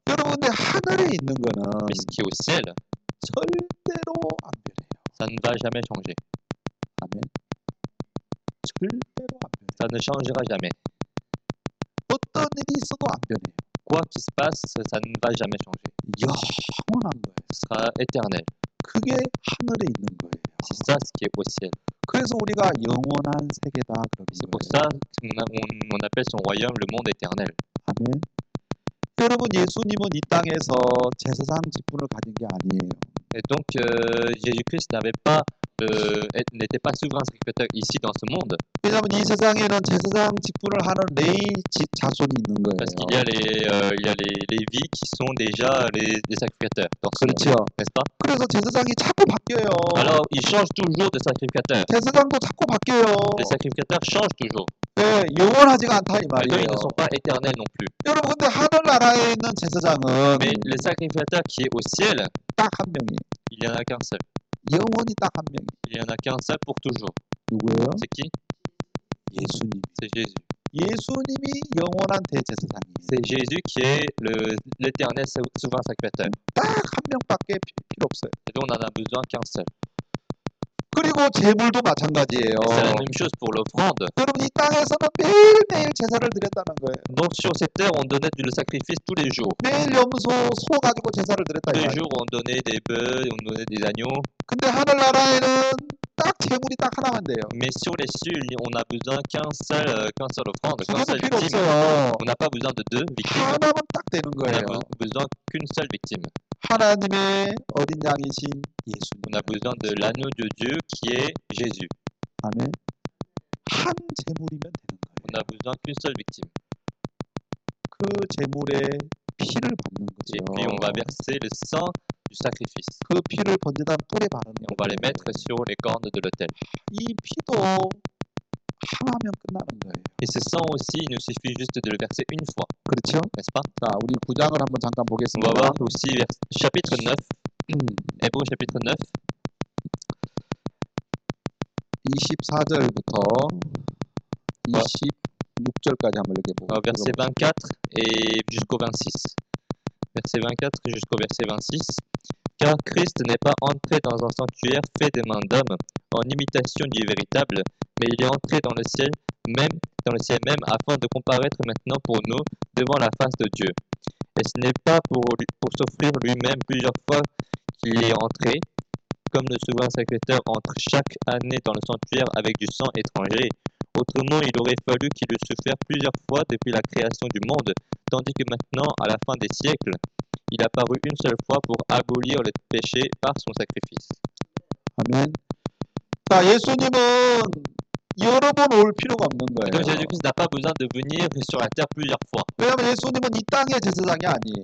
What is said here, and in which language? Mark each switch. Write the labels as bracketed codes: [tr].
[ko] 여러분들 하늘에 있는 거는 [fr] Mais ce qui est au ciel, [ko] 절대로 안 변해요. [fr] Ça ne va jamais changer. [ko] 아멘. 절대로 안 변해요. [fr] Ça ne changera jamais. [ko] 어떤 일이 있어도 안 변해요. [fr] Quoi qu'il se passe, ça ne va jamais changer. [ko] 영원한 거예요. [fr] Ce sera éternel. [ko] 그게 하늘에 있는 거예요. [fr] C'est ça ce qui est au ciel. [ko] 그래서 우리가 영원한 세계다 그러면. [fr] C'est pour ça on appelle son royaume le monde éternel. [ko] 아멘. 여러분 예수님은 이 땅에서 제사장 직분을 가진 게 아니에요. [fr] Et donc Jésus-Christ n'avait pas n'était pas souverain sacrificateur ici dans ce monde. [ko] 왜냐하면 이 세상에는 제사장 직분을 하는 레위 자손이 있는 거예요. [fr] Parce qu'il y a les Lévites qui sont déjà les sacrificateurs. [ko] 그렇죠. 됐어? 그래서 제사장이 자꾸 바뀌어요. [fr] Alors il change toujours de sacrificateur. [ko] 제사장도 자꾸 바뀌어요. [fr] Les sacrificateurs changent toujours. [ko] 네, 영원하지가 않다 이 말이에요. [fr] Ils ne sont pas éternels non plus. [ko] 여러분 근데 하늘나라에 있는 제사장은 [fr] Mais les sacrificateurs qui est au ciel [ko] 딱 한 명이. [fr] Il y en a qu'un seul. [ko] 영원히 딱 한 명이. [fr] Il y en a qu'un seul pour toujours. [ko] 누구예요? [fr] C'est qui? [ko] 예수님. [fr] C'est Jésus. [ko] 예수님이 영원한 대제사장이. [fr] C'est Jésus qui est l'éternel souverain sacrificateur. [ko] 딱 한 명밖에 필요 없어요. [fr] Et donc on en a besoin qu'un seul. [ko] 그리고 제물도 마찬가지예요. [fr] C'est la même chose pour l'offrande. [ko] 여러분 이 땅에서는 매일매일 제사를 드렸다는 거예요. [fr] Donc sur cette terre, on donnait du sacrifice tous les jours. [ko] 매일 염소, 소 가지고 제사를 드렸다. [fr] Tous les jours, on donnait des bœufs, on donnait des agneaux. [ko] 근데 하늘나라에는 딱 제물이 딱 하나만 돼요. [fr] Mais sur les cieux, on a besoin qu'un seul offrande, qu'un seul victime. On n'a pas besoin de deux victimes. [ko] 하나만 딱 되는 거예요. [fr] On a besoin qu'une seule victime. [ko] 하나님의 어린 양이신 예수. [fr] On a besoin de l'agneau de Dieu qui est Jésus. [ko] 아멘. 한 제물이면 되는 거예요. [fr] On a besoin qu'une seule victime. [ko] 그 제물의 피를 받는 거죠. [fr] Et puis on va verser le sang du sacrifice. [ko] 그 피를 번제단 뿔에 바르는 거예요. [fr] On va les mettre sur les cornes de l'autel. [ko] 이 피도 하나면 끝나는 거예요. [fr] Et ce sang aussi, il nous suffit juste de le verser une fois. [ko] 그렇죠? [fr] N'est-ce pas? [ko] 자, 우리 9장을 한번 잠깐 보겠습니다. [fr] On va voir aussi chapitre 9. Hébreux chapitre 9. [ko] 24절부터 26절까지 한번 이렇게 보고. [fr] Verset 24 et jusqu'au 26. Verset 24 jusqu'au verset 26. Car Christ n'est pas entré dans un sanctuaire fait des mains d'hommes, en imitation du véritable, mais il est entré dans le ciel même, afin de comparaître maintenant pour nous devant la face de Dieu. Et ce n'est pas pour s'offrir lui-même plusieurs fois qu'il est entré, comme le souverain sacrificateur entre chaque année dans le sanctuaire avec du sang étranger. Autrement, il aurait fallu qu'il eût souffert plusieurs fois depuis la création du monde, tandis que maintenant, à la fin des siècles, il a paru une seule fois pour abolir le péché par son sacrifice. Amen. [ko] 자, 예수님은 여러 번 올 필요가 없는 거예요. [fr] Donc Jésus-Christ n'a pas besoin de venir sur la terre plusieurs fois. [ko] 왜냐하면 예수님은 이 땅의 제사장이 아니에요.